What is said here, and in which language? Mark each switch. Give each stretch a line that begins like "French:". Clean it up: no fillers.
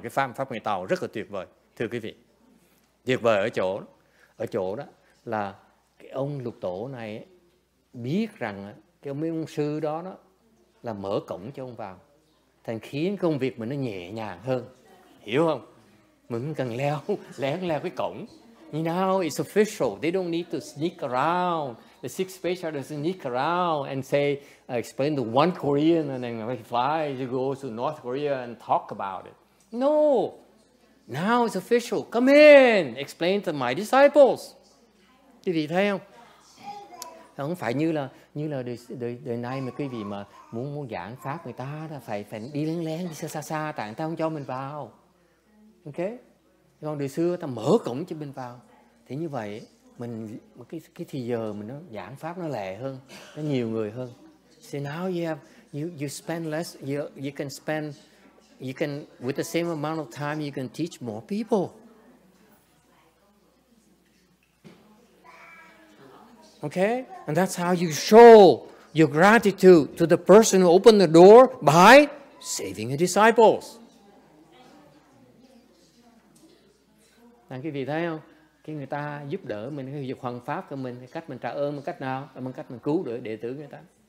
Vietnamese: Cái pháp người Tàu rất là tuyệt vời, thưa quý vị. Tuyệt vời ở chỗ đó là cái ông lục tổ này biết rằng cái ông sư đó là mở cổng cho ông vào. Thành khiến công việc mình nó nhẹ nhàng hơn. Hiểu không? Mình cần lén leo cái cổng.
English: You know, it's official. They don't need to sneak around. The 6th patriarch doesn't sneak around and say, explain to one Korean and then he flies, he goes to North Korea and talk about it. No. Now it's official. Come in. Explain to my disciples.
Vietnamese: Quý vị thấy không? Không phải như là đời nay mà quý vị mà muốn giảng pháp người ta là phải đi lén đi xa tại người ta không cho mình vào. Okay? Còn đời xưa ta mở cổng cho mình vào. Thì như vậy mình cái thì giờ mình nó giảng pháp nó lẹ hơn, nó nhiều người hơn.
English: So now you spend less, you can with the same amount of time you can teach more people. Okay? And that's how you show your gratitude to the person who opened the door by saving the disciples. Thank you, Vitale.
Vietnamese: cái người ta giúp đỡ mình, cái việc hoằng pháp của mình, cách mình trả ơn bằng cách nào, bằng cách mình cứu đỡ đệ tử người ta.